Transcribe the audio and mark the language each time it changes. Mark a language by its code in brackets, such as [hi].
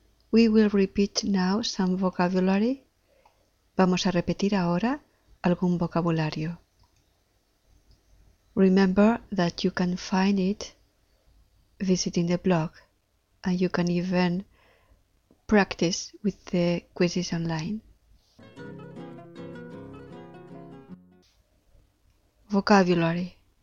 [en] We will repeat now some vocabulary. [es] Vamos a repetir ahora algún vocabulario. [en] Remember that you can find it visiting the blog, and you can even practice with the quizzes online. Vocabulary.